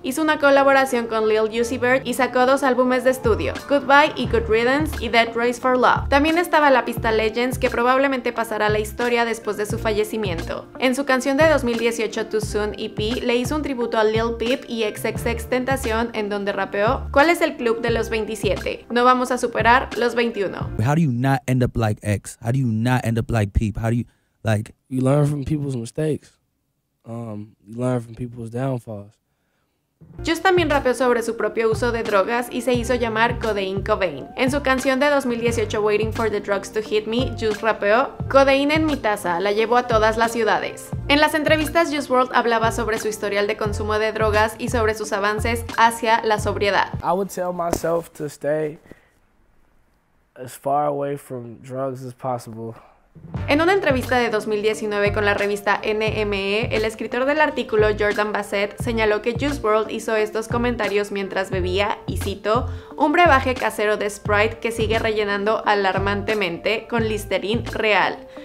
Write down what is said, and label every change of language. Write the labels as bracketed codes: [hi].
[es] Hizo una colaboración con Lil Uzi Vert y sacó 2 álbumes de estudio, Goodbye y Good Riddance y Death Race for Love. También estaba la pista Legends, que probablemente pasará a la historia después de su fallecimiento. En su canción de 2018 Too Soon EP, le hizo un tributo a Lil Peep y XXXTentacion, en donde rapeó, ¿cuál es el club de los 27? No vamos a superar los 21. [en] How do you not end up like X? How do you not end up like Peep? How do you, like... You learn from people's mistakes. You learn from people's downfalls. [es] Juice también rapeó sobre su propio uso de drogas y se hizo llamar Codeine Cobain. En su canción de 2018 Waiting for the Drugs to Hit Me, Juice rapeó, Codeine en mi taza, la llevo a todas las ciudades. En las entrevistas, Juice WRLD hablaba sobre su historial de consumo de drogas y sobre sus avances hacia la sobriedad. [en] I would tell myself to stay as far away from drugs as possible. [es] En una entrevista de 2019 con la revista NME, el escritor del artículo Jordan Bassett señaló que Juice WRLD hizo estos comentarios mientras bebía, y cito, un brebaje casero de Sprite que sigue rellenando alarmantemente con Listerine real.